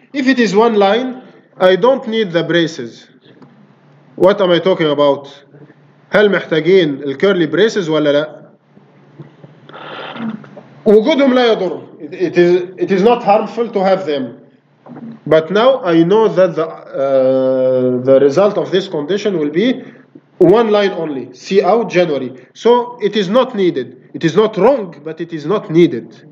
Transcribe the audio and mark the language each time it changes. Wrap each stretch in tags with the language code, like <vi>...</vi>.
<en>If it is one line, I don't need the braces. What am I talking about?</en> <ar>هل محتاجين الكيرلي بريسز ولا لا؟ وجودهم لا يضر.</ar> <en>It is not harmful to have them. But now I know that the result of this condition will be one line only. See out January. So it is not needed. It is not wrong, but it is not needed.</en>